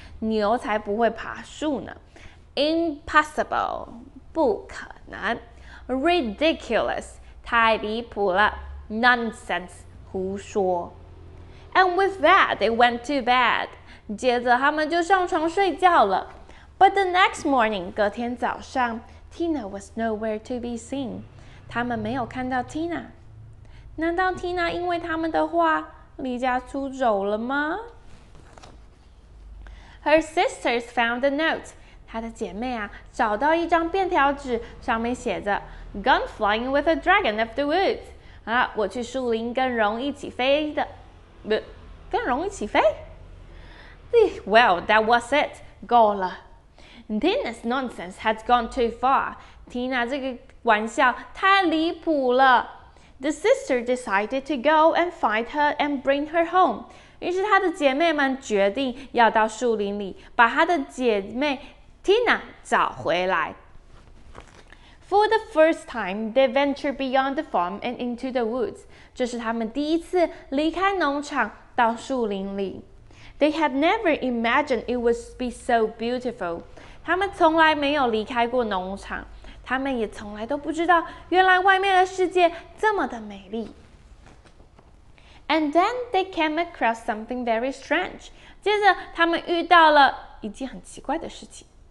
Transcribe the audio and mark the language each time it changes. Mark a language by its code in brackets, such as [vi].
[zh] 牛才不会爬树呢 [en] ，impossible [zh] 不可能， [en] ridiculous [zh] 太离谱了 [en] ，nonsense [zh] 胡胡说。 [en] And with that, they went to bed. [zh] 接着他们就上床睡觉了。 [en] But the next morning, [zh] 隔天早上, [en] Tina was nowhere to be seen. [zh] 他们没有看到 Tina。难道 Tina 因为他们的话离家出走了吗？ [en] Her sisters found a note. [zh] 她的姐妹啊，找到一张便条纸，上面写着 [en] "Gone flying with a dragon of the woods." [zh] 啊，我去树林跟龙一起飞的，不，跟龙一起飞。 [en] Well, that was it. [zh] 够了。 [en] Tina's nonsense had gone too far. [zh] Tina 这个玩笑太离谱了。 [en] The sister decided to go and find her and bring her home. [zh] 于是她的姐妹们决定要到树林里把她的姐妹 Tina 找回来。 [en] For the first time, they ventured beyond the farm and into the woods. [zh] 这是他们第一次离开农场到树林里。 [en] They had never imagined it would be so beautiful. [zh] 他们从来没有离开过农场。他们也从来都不知道原来外面的世界这么的美丽。 [en] And then they came across something very strange. [zh] 接着他们遇到了一件很奇怪的事情。